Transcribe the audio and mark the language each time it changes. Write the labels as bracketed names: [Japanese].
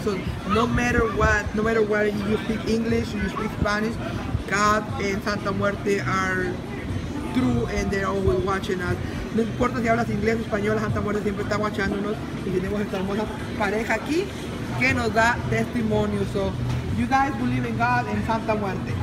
[English] So no matter what you speak English, you speak Spanish, God and Santa Muerte are true and they're always watching us. [Spanish] No importa si hablas inglés o español, la Santa Muerte siempre está watchándonos y tenemos esta hermosa pareja aquí que nos da testimonio. [English] So you guys believe in God and Santa Muerte.